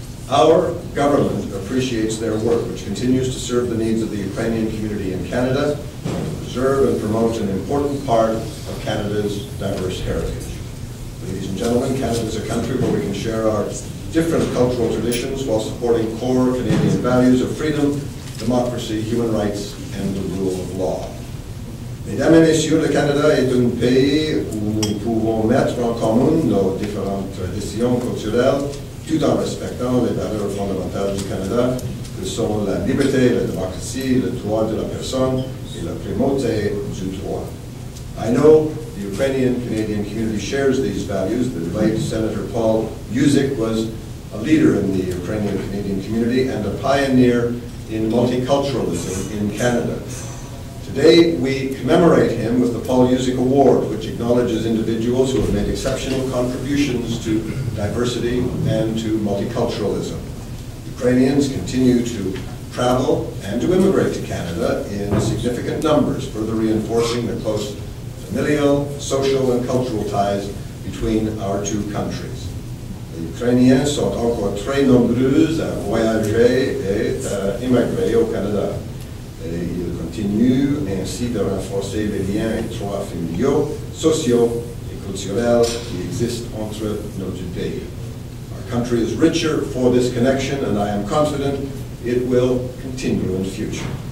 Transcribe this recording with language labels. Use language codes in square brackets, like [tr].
[en] Our government appreciates their work, which continues to serve the needs of the Ukrainian community in Canada, preserve and promote an important part of Canada's diverse heritage. Ladies and gentlemen, Canada is a country where we can share our different cultural traditions while supporting core Canadian values of freedom, democracy, human rights, and the rule of law. [fr] Mesdames et messieurs, le Canada est un pays où nous pouvons mettre en commun nos différentes traditions culturelles tout en respectant les valeurs fondamentales du Canada, que sont la liberté, la démocratie, le droit de la personne, la primauté du droit. [en] I know the Ukrainian-Canadian community shares these values. The late Senator Paul Yuzik was a leader in the Ukrainian-Canadian community and a pioneer in multiculturalism in Canada. Today, we commemorate him with the Paul Yuzik Award, which acknowledges individuals who have made exceptional contributions to diversity and to multiculturalism. Ukrainians continue to travel and to immigrate to Canada in significant numbers, further reinforcing the close familial, social, and cultural ties between our two countries. [fr] Ukrainiens sont encore très nombreux à voyager et à immigrer au Canada. Et ils continuent ainsi de renforcer les liens étroits, familiaux, sociaux et culturels qui existent entre nos deux pays. [en] Our country is richer for this connection and I am confident it will continue in the future.